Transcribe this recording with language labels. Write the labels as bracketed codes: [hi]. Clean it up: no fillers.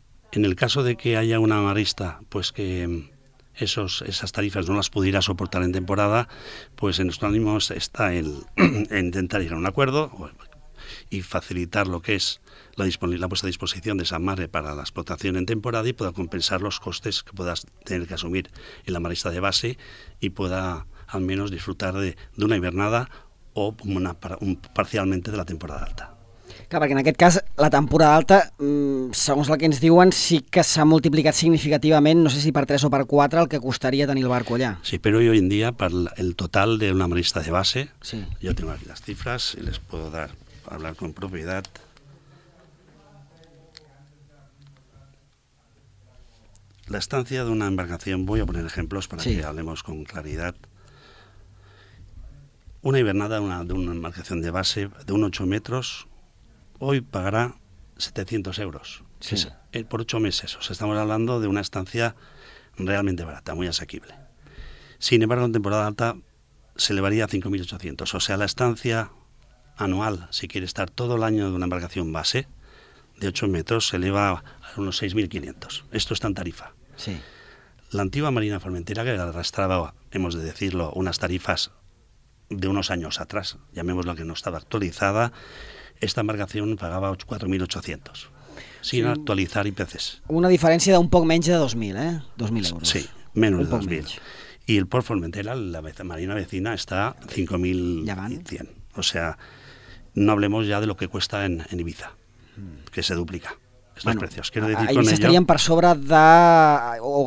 [es] En el caso de que haya una amarista, pues que esas tarifas no las pudiera soportar en temporada, pues en nuestro ánimo está el intentar llegar a un acuerdo y facilitar lo que es la puesta a disposición de esa mare para la explotación en temporada y pueda compensar los costes que pueda tener que asumir el amarista de base y pueda al menos disfrutar de una hibernada o parcialmente de la temporada alta. [ca] Clar, perquè en aquest cas la temporada alta, segons el que ens diuen, sí que s'ha multiplicat significativament, no sé si per 3 o per 4, el que costaria tenir el barco allà. [es] Sí, [ca] però [es] hoy en día, per el total de una marista de base, sí. Yo tengo aquí las cifras y les puedo dar, hablar con propiedad. La estancia de una embarcación, voy a poner ejemplos para que hablemos con claridad. Una hibernada de una embarcación de base de un 8 metros... hoy pagará 700 euros sí. Por 8 meses. O sea, estamos hablando de una estancia realmente barata, muy asequible. Sin embargo, en temporada alta se elevaría a 5.800, o sea, la estancia anual, si quiere estar todo el año en una embarcación base de 8 metros, se eleva a unos 6.500. Esto está en tarifa. Sí. La antigua Marina Formentera, que arrastraba, hemos de decirlo, unas tarifas de unos años atrás, llamémoslo que no estaba actualizada, esta embarcación pagaba 4.800, sin actualizar IPCs. [ca] Una diferència d'un poc menys de 2.000, eh? 2.000 euros. Sí, menys de 2.000. I el Port Formentera, la marina vecina, està 5.100. [es] O sea, no hablemos ya de lo que cuesta en Ibiza, que se duplica. Estos bueno, precios. Quiero decir ahí con ello, estarían per sobre de...